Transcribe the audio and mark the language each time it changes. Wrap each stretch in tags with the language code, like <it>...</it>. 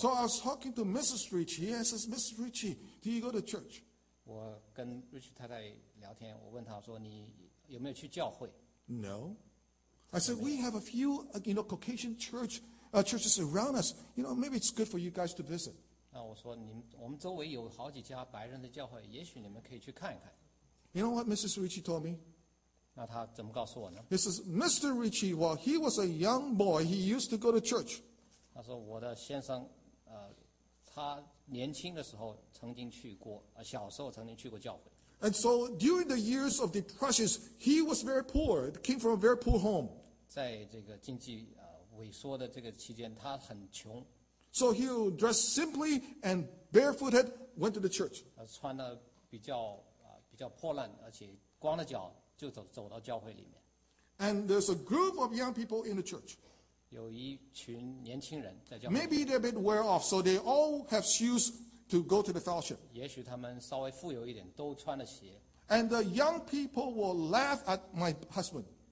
<en>So I was talking to Mrs. Richie. Yes, it's Mrs. Richie. Do you go to church?</en> <zh>我跟 Richie 太太聊天，我问他说你有没有去教会</zh> <en>？No. I said we have a few, you know, Caucasian church, churches around us. You know, maybe it's good for you guys to visit.</en> <zh>那我说我们周围有好几家白人的教会，也许你们可以去看一看。</zh> <en>You know what Mrs. Ritchie told me?</en> <zh>那他怎么告诉我呢</zh> <en>？He says, Mr. Ritchie, while he was a young boy, he used to go to church.</en> <zh>他说我的先生，他年轻的时候曾经去过，小时候曾经去过教会。</zh> <en>And so during the years of depressions, he was very poor. Came from a very poor home.</en> <zh>在这个经济萎缩的这个期间，他很穷。</zh> <en>So he dressed simply and barefooted, went to the church.</en> <zh>穿的比较破烂，而且光着脚就走到教会里面。</zh> <en>And there's a group of young people in the church.</en> <zh>有一群年轻人在教会。</zh> <en>Maybe they're a bit well off, so they all have shoes to go to the fellowship.</en> <zh>也许他们稍微富有一点，都穿了鞋。</zh> <en>And the young people will laugh at my husband.</en>